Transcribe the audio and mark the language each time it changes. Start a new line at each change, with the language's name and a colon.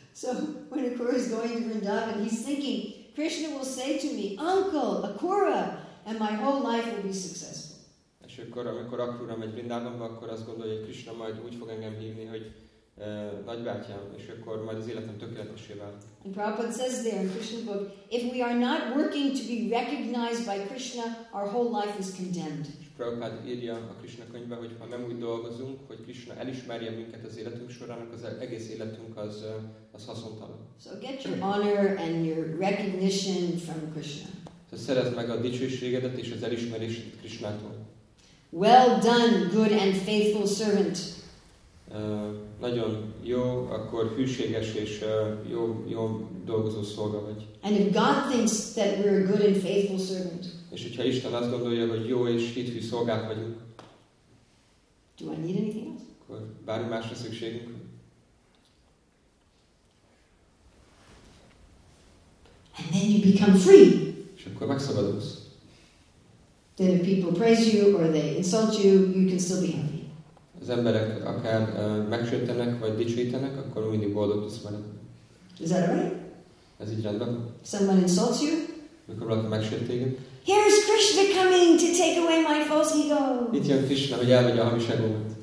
English: So, when Akura is going to Vrindavan, he's thinking, Krishna will say to me, Uncle, Akura, and my whole life will be successful.
Hungarian: És akkor, amikor Akura megy Vrindavanba, akkor azt gondolja, hogy Krishna majd úgy fog engem hívni, hogy nagybátyám, és akkor majd az életem tökéletessé válik.
English: And Prabhupada says there in Krishna book, if we are not working to be recognized by Krishna, our whole life is condemned.
Hungarian: Prabhupada írja a Krishna könyvben, hogy ha nem úgy dolgozunk, hogy Krishna elismerje minket az életünk során, az egész életünk az haszontalan.
English: So get your honor and your recognition from Krishna. So
Hungarian: szerezd meg a dicsőségedet és az elismerésed Krishnától.
English: Well done, good and faithful servant.
Hungarian: Nagyon jó, akkor hűséges és jó dolgozó szolga vagy.
English: And if God thinks that we're a good and faithful servant.
Hungarian: És hogyha Isten azt gondolja, hogy jó és hithű szolgák vagyunk.
English: Do I need anything else?
Hungarian: Akkor bármi másra szükségünk.
English: And then you become free.
Hungarian: És akkor megszabadulsz.
English: Then if people praise you or they insult you, you can still be happy.
Hungarian: Az emberek akár megsértenek, vagy dicsőítenek, akkor mindig boldog tudsz vele.
English: Is that right?
Hungarian: Ez így rendben?
English: Someone insults you?
Hungarian: Mikor valaki megsért téged?
English: Here's Krishna coming to take away my false ego.
Hungarian: Itt jön Krishna, hogy elvegye a hamis egómat.